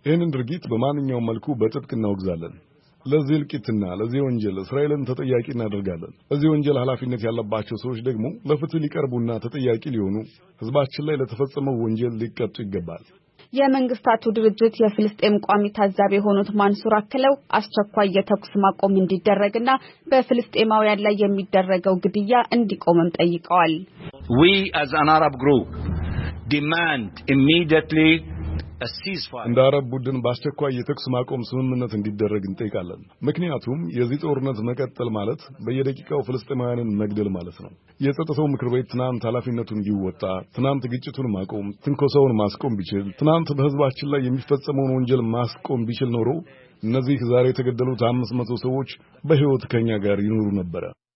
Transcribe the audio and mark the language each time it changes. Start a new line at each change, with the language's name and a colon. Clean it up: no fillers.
Amharic: ይህንን ድርጊት በማንኛውም መልኩ በጥብቅ እናወግዛለን። ለዚህ ልቂትና ለዚህ ወንጀል እስራኤልን ተጠያቂ እናደርጋለን። እዚህ ወንጀል ኃላፊነት ያለባቸው ሰዎች ደግሞ ለፍትህ ሊቀርቡና ተጠያቂ ሊሆኑ ህዝባችን ላይ ለተፈጸመው ወንጀል ሊቀጡ ይገባል። የመንግስታቱ ድርጅት የፍልስጤም ቋሚ ታዛቢ የሆኑት ማንሱር አክለው አስቸኳይ የተኩስ ማቆም እንዲደረግና በፍልስጤማውያን ላይ የሚደረገው ግድያ እንዲቆምም ጠይቀዋል።
English: We as an Arab group demand immediately
Amharic: እንደ አረብ ቡድን ባስቸኳይ የተኩስ ማቆም ስምምነት እንዲደረግ እንጠይቃለን። ምክንያቱም የዚህ ጦርነት መቀጠል ማለት በየደቂቃው ፍልስጤማውያንን መግደል ማለት ነው። የጸጥታው ምክር ቤት ትናንት ኃላፊነቱን ይወጣ፣ ትናንት ግጭቱን ማቆም፣ ትንኮሳውን ማስቆም ቢችል፣ ትናንት በህዝባችን ላይ የሚፈጸመውን ወንጀል ማስቆም ቢችል ኖሮ እነዚህ ዛሬ የተገደሉት 500 ሰዎች በህይወት ከኛ ጋር ይኖሩ ነበር።